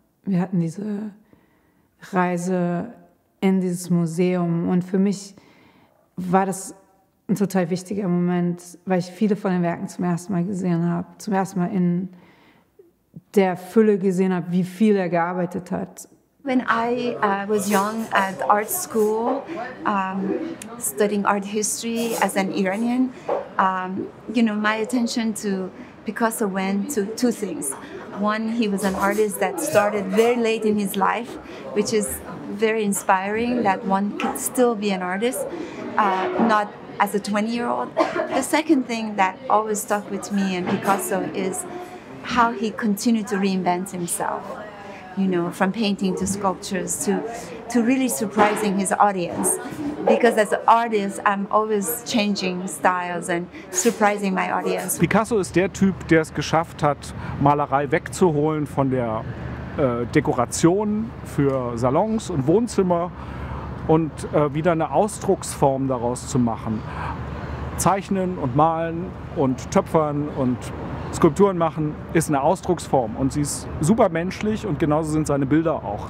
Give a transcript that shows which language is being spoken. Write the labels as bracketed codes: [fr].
[de] Wir hatten diese Reise in dieses Museum und für mich war das ein total wichtiger Moment, weil ich viele von den Werken zum ersten Mal gesehen habe, zum ersten Mal in der Fülle gesehen habe, wie viel er gearbeitet hat. [en] When I was young at art school, studying art history as an Iranian, you know, my attention to Picasso went to two things. One, he was an artist that started very late in his life, which is very inspiring that one could still be an artist, not as a 20-year-old. The second thing that always stuck with me and Picasso is how he continued to reinvent himself, you know, from painting to sculptures to really surprising his audience. Because as an artist, I'm always changing styles and surprising my audience. [de] Picasso ist der Typ, der es geschafft hat, Malerei wegzuholen von der Dekoration für Salons und Wohnzimmer und wieder eine Ausdrucksform daraus zu machen. Zeichnen und malen und töpfern und Skulpturen machen ist eine Ausdrucksform und sie ist super menschlich und genauso sind seine Bilder auch.